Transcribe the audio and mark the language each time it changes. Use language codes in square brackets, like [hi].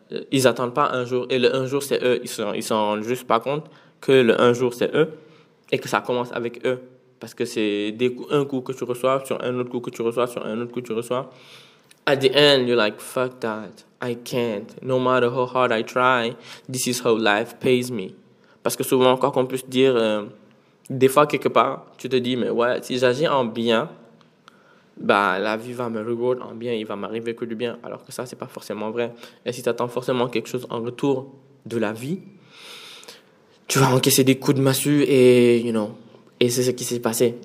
[fr] Ils attendent pas un jour et le un jour c'est eux, ils s'en rendent juste pas compte que le un jour c'est eux et que ça commence avec eux parce que c'est un coup que tu reçois sur un autre coup que tu reçois sur un autre coup que tu reçois. [en] At the end, you're like, fuck that, I can't. No matter how hard I try, this is how life pays me. [fr] Parce que souvent, quoi qu'on puisse dire, des fois, quelque part, tu te dis, mais ouais, si j'agis en bien, la vie va me reward en bien, il va m'arriver que du bien. Alors que ça, c'est pas forcément vrai. Et si tu attends forcément quelque chose en retour de la vie, tu vas encaisser des coups de massue et, et c'est ce qui s'est passé.